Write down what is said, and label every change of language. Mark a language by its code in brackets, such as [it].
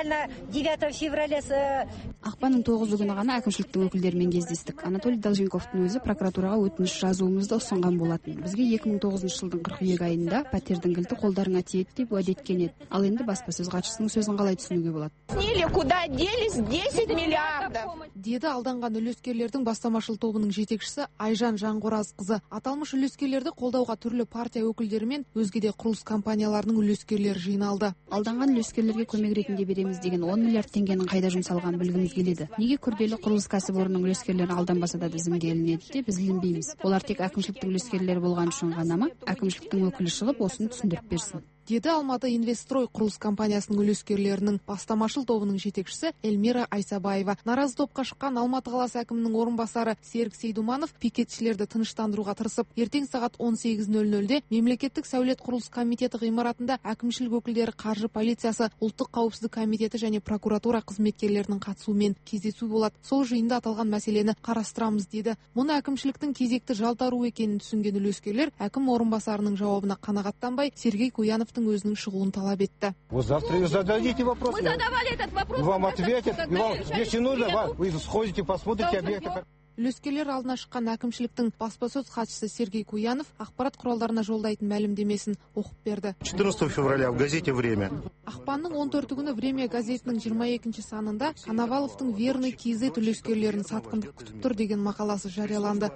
[kk] Ақпанның 9 күні ғана әкімшіліктің өкілдерімен кездестік. Анатолий Долженковтың өзі прокуратураға өтініш жазуымызды ұсынған болатын. Бізге 2009 жылдың 42 айында пәтердің кілті қолдарыңа тиеді деп уәде еткен еді. Ал енді баспасөз хатшысының сөзін қалай түсінуге болады? [ru] Куда делись 10 миллиардов? [kk] Деді алданған үлескерлердің бастамашыл тобының жетекшісі Айжан Жанғоразқызы. Аталмыш үлескерлерді қолдауға түрлі партия өкілдері мен өзге де құрылыс компанияларының үлескерлері жиналды. Алданған үлескерлерге көмек ретінде береміз деген 10 миллиард теңгенің қайда жұмсалғанын білгіміз келеді. Неге күрделі құрылыс кәсіпорнының үлескерлері алданбаса да тізімге ілінеді деп біз білмейміз. Олар тек әкімшіліктің үлескерлері болған үшін ғана ма? Әкімшіліктің өкілі шығып осыны түсіндіріп берсін. деді Алматы Инвестстрой құрылыс компаниясының үлескерлерінің бастамашыл тобының жетекшісі Эльмира Айсабаева. Наразы топқа шыққан Алматы қаласы әкімінің орынбасары Серік Сейдуманов пикетшілерді тыныштандыруға тырысып, ертең сағат 18:00-де мемлекеттік сәулет құрылыс комитеті ғимаратында әкімшілік өкілдері, қаржы полициясы, ұлттық қауіпсіздік комитеті және прокуратура қызметкерлерінің қатысуымен кездесу болады. Сол жиында аталған мәселені қарастырамыз деді. Мұны әкімшіліктің кезекті жалтаруы екенін түсінген үлескерлер әкім орынбасарының жауабына қанағаттанбай Сергей Куяновтың өзінің шығуын талап етті. [ru] Завтра вы зададите вопрос. Мы задавали этот вопрос. Вам ответят. Если нужно, вы сходите, посмотрите объекты. [kk] Үлескерлер алдына шыққан әкімшіліктің баспасөз хатшысы Сергей Куянов ақпарат құралдарына жолдайтын мәлімдемесін оқып берді. [ru] 14 февраля в газете «Время». [kk] Ақпанның 14 күні «Время» газетінің 22 санында Канаваловтың «Верный кизет» үлескерлерін сатқындық күтіп тұр деген мақаласы жарияланды.